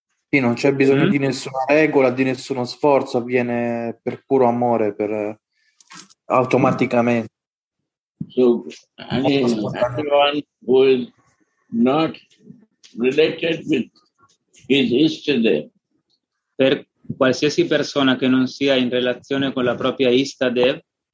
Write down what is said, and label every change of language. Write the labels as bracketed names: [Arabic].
[Italian] Sì, non c'è bisogno di nessuna regola, di nessuno sforzo, avviene per puro amore, per automaticamente. [English] So anyone who is not related with his istade, [Italian] per qualsiasi persona che non sia in relazione con la propria istade,